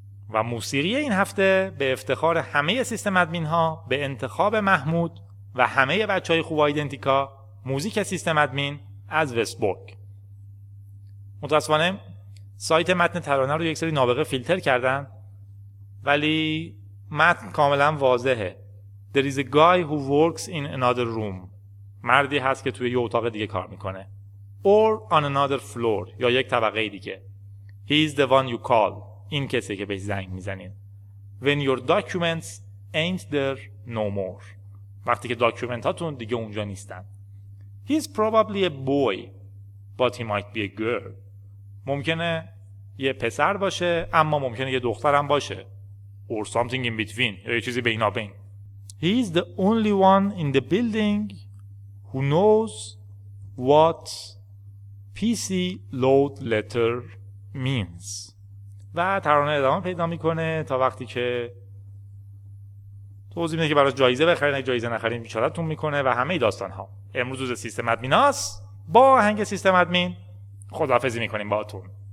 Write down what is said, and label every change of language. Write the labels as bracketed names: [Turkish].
[Persian] و موسیقی این هفته به افتخار همه سیستم ادمین ها، به انتخاب محمود و همه بچه های خوب آیدنتیکا، موزیک سیستم ادمین از وستبورگ. متاسفانه سایت متن ترانه رو یک سری نابغه فیلتر کردن، ولی متن کاملا واضحه. [English] There is a guy who works in another room. [Persian] مردی هست که توی یه اتاق دیگه کار میکنه. [English] Or on another floor، [Persian] یا یک طبقه دیگه. [English] He is the one you call. [Persian] این کسی که بهش زنگ میزنین. [English] When your documents ain't there no more. [Persian] وقتی که داکیومنت هاتون دیگه اونجا نیستن. [English] He is probably a boy. But he might be a girl. [Persian] ممکنه یه پسر باشه، اما ممکنه یه دخترم باشه. [English] Or something in between. [Persian] یا یه چیزی بینابین. [English] He is the only one in the building who knows what PC load letter means. [Persian] و ترانه ادامه پیدا میکنه تا وقتی که توضیح میده که براش جایزه بخرین، اگه جایزه نخرین بیچارتون میکنه و همه داستان ها. امروز روز سیستم ادمین هاست. با آهنگ سیستم ادمین خداحافظی میکنیم با اتون.